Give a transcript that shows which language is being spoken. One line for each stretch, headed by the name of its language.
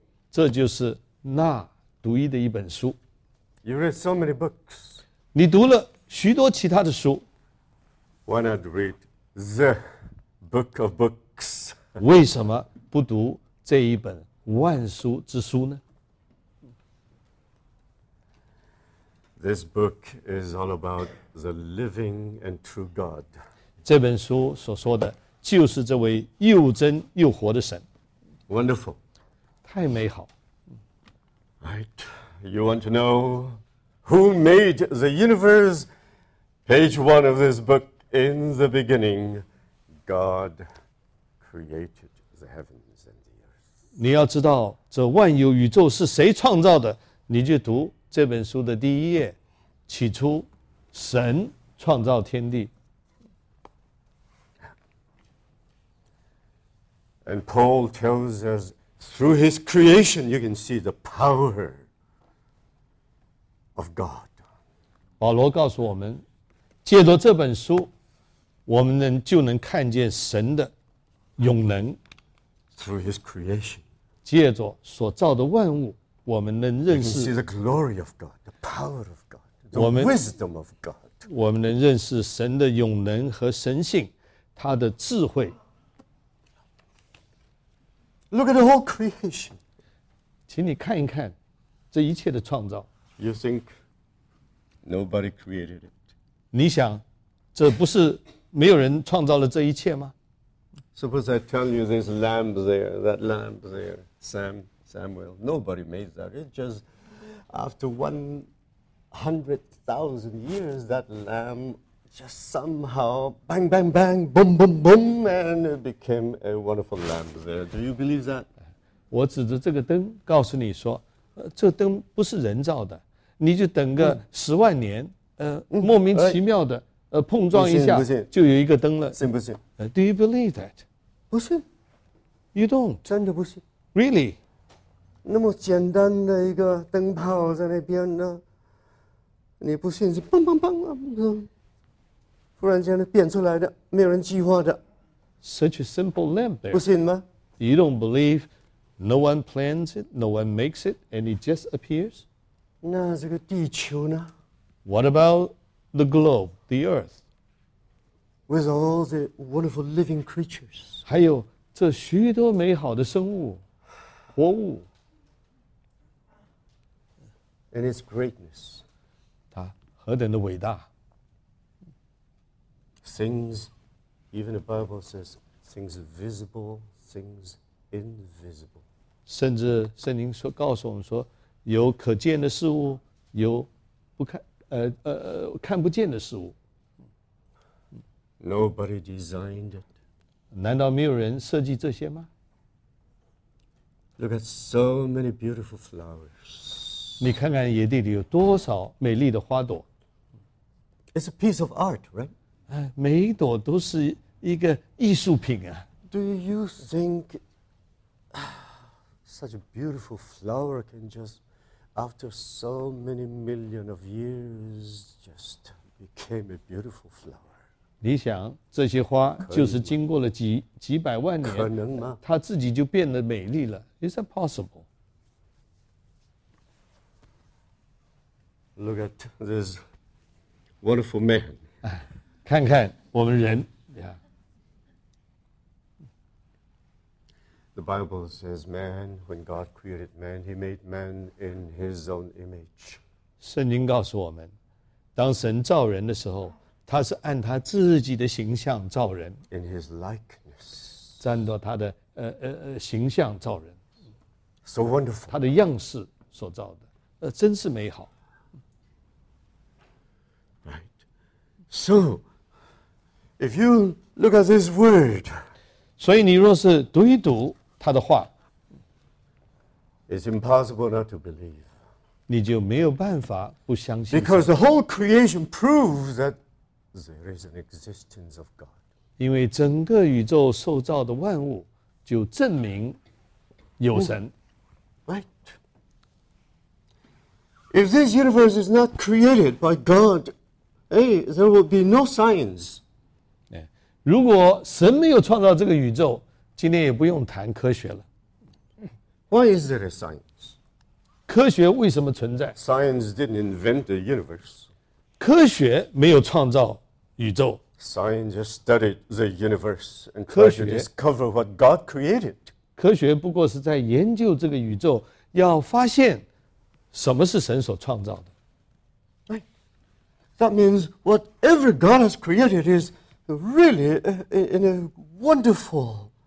Chinese: 这就是那独一的一本书。
English: You read so many books.
Chinese: 你读了许多其他的书。
English: Why not read the book of books?
Chinese: 为什么不读这一本万书之书呢？
English: This book is all about the living and true God.
Chinese: 这本书所说的就是这位又真又活的神
English: ，Wonderful，
Chinese: 太美好。
English: Right, you want to know who made the universe? Page one of this book. In the beginning, God created the heavens and the earth.
Chinese: 你要知道这万有宇宙是谁创造的，你就读这本书的第一页。起初，神创造天地。
English: And Paul tells us through his creation, you can see the power of God.
Chinese: 保罗告诉我们，借着这本书，我们就能看见神的永能。
English: Through his creation,
Chinese: 借着所造的万物，我们能认识。
English: You can see the glory of God, the power of God, the wisdom of God.
Chinese: 我们能认识神的永能和神性，他的智慧。
English: Look at the whole creation.
Chinese: 请你看一看这一切的创造。
English: You think nobody created it?
Chinese: 你想，这不是没有人创造了这一切吗
English: ？Suppose I tell you this lamp there, that lamp there, Samuel. Nobody made that. It's just after 100,000 years that lamp just somehow bang bang bang boom boom boom and it became a wonderful lamp there. Do you believe that?
Chinese: 我指着这个灯告诉你说，这灯不是人造的，你就等个十万年，莫名其妙的碰撞一下就有一个灯了。信不信？
English: Do you believe that?
Chinese: 不信。
English: You don't?
Chinese: 真的不信。
English: Really?
Chinese: 那么简单的一个灯泡在那边呢，你不信是砰砰砰啊，突然间变出来的，没有人计划的。
English: Such a simple lamp there.
Chinese: 不信吗？
English: You don't believe no one plans it, no one makes it, and it just appears?
Chinese: 那这个地球呢？
English: What about the globe, the earth? With all the wonderful living creatures.
Chinese: 还有这许多美好的生物、活物。
English: And its greatness.
Chinese: 它何等的伟大。
English: Things, even the Bible says, things visible, things invisible.
Chinese: 甚至圣经说告诉我们说，有可见的事物，有不看。看不见的事物。
English: Nobody designed it.
Chinese: 难道没有人设计这些吗？
English: Look at so many beautiful flowers.
Chinese: 你看看野地里有多少美丽的花朵。
English: It's a piece of art, right?
Chinese: 每一朵都是一个艺术品啊。
English: Do you think such a beautiful flower can just... After so many million of years, just became a beautiful flower.
Chinese: 你想这些花就是经过了几百万年，可能吗？它自己就变得美丽了。
English: Is that possible? Look at this wonderful man.
Chinese: 看看我们人。
English: The Bible says man, when God created man, he made man in his own image.
Chinese: 圣经告诉我们，当神造人的时候，他是按他自己的形象造人。
English: In his likeness.
Chinese: 按照他的形象造人。
English: So wonderful.
Chinese: 他的样式所造的，真是美好。
English: Right. So, if you look at this word.
Chinese: 所以你若是读一读他的话，
English: It's impossible not to believe.
Chinese: 你就没有办法不相信。
English: Because the whole creation proves that there is an existence of God.
Chinese: 因为整个宇宙受造的万物就证明有神。
English: Right. If this universe is not created by God, there will be no science.
Chinese: 如果神没有创造这个宇宙，今天也不用谈科学了。
English: Why is there a science?
Chinese: 科学为什么存在？
English: Science didn't invent the universe.
Chinese: 科学没有创造宇宙。
English: Science just studied the universe and tried to discover what God created.
Chinese: 科学不过是在研究这个宇宙，要发现什么是神所创造的。
English: Right. That means whatever God has created is really in a wonderful.